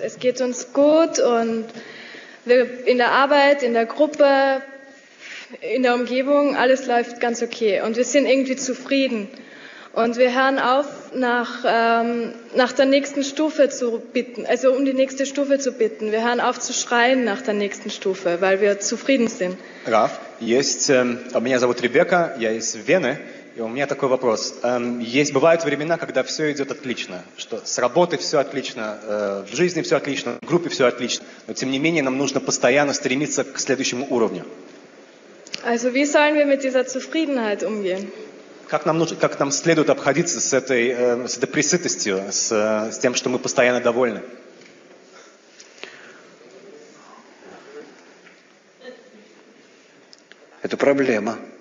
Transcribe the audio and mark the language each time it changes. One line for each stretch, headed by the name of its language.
German: Es geht uns gut und wir in der Arbeit, in der Gruppe, in der Umgebung, alles läuft ganz okay und wir sind irgendwie zufrieden. Und wir hören auf, nach der nächsten Stufe zu bitten, also um die nächste Stufe zu bitten. Wir hören auf zu schreien nach der nächsten Stufe, weil wir zufrieden sind.
Russian: Raf, меня зовут Ребекка, я из Вены, и у меня такой вопрос. Есть бывают времена, когда все идет отлично, что с работы все отлично, в жизни все отлично, в группе все отлично, но тем не менее нам нужно постоянно стремиться к следующему уровню.
German: Also, wie sollen wir mit dieser Zufriedenheit umgehen?
Russian: Как нам следует обходиться с этой пресытостью, с тем, что мы постоянно довольны? Это проблема.